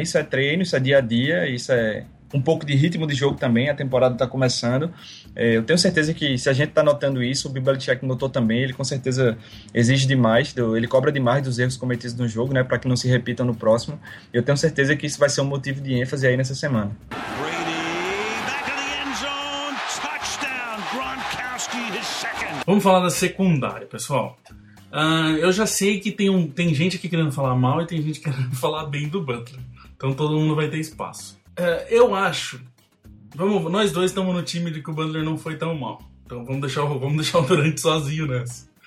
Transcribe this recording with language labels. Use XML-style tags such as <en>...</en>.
<pt>Isso é treino, isso é dia a dia, isso é um pouco de ritmo de jogo também, a temporada está começando. Eu tenho certeza que se a gente está notando isso, o Belichick notou também, ele com certeza exige demais, ele cobra demais dos erros cometidos no jogo, né, para que não se repitam no próximo. Eu tenho certeza que isso vai ser um motivo de ênfase aí nessa semana.</pt> <en>Brady, back in the end zone, touchdown, Gronkowski, his second.</en> <pt>Vamos falar da secundária, pessoal. Eu já sei que tem gente aqui querendo falar mal e tem gente querendo falar bem do Butler. Então todo mundo vai ter espaço. Eu acho, nós dois estamos no time de que o Butler não foi tão mal, então vamos deixar o Durant sozinho nessa.</pt>